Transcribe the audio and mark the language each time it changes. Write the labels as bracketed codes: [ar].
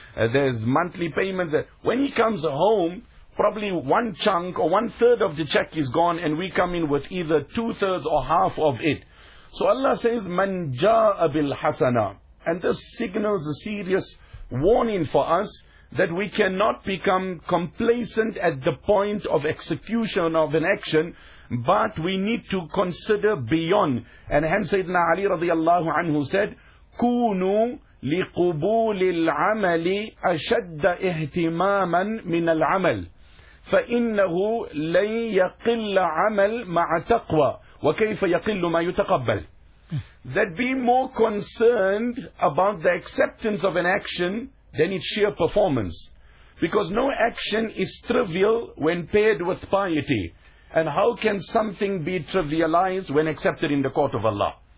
[en] There's monthly payments. When he comes home, probably one chunk or one third of the check is gone, and we come in with either two thirds or half of it. So Allah says, [ar] مَنْ جَاءَ بِالْحَسَنَةِ. [en] And this signals a serious warning for us, that we cannot become complacent at the point of execution of an action, but we need to consider beyond. And hence Sayyidina Ali radiallahu anhu said, [ar] كُونُوا لِقُبُولِ الْعَمَلِ أَشَدَّ اِهْتِمَامًا مِنَ الْعَمَلِ فَإِنَّهُ لَنْ يَقِلَّ عَمَلْ مَعَ تَقْوَى وَكَيْفَ يَقِلُّ مَا يُتَقَبَّلُ. [en] that be more concerned about the acceptance of an action than its sheer performance. Because no action is trivial when paired with piety. And how can something be trivialized when accepted in the court of Allah?